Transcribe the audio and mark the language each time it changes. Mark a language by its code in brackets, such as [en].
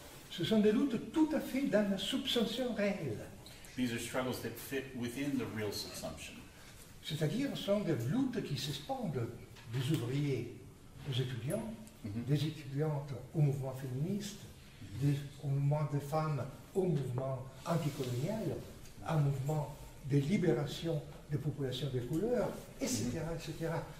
[fr] Ce sont des luttes tout à fait dans la subsumption réelle. [en] These are struggles that fit within the real subsumption. [fr] C'est-à-dire, ce sont des luttes qui s'expandent des ouvriers aux étudiants, mm-hmm. des étudiantes au mouvement féministe, des, au mouvement des femmes, au mouvement anticolonial, au mouvement de libération des populations de couleur, etc., mm-hmm. etc.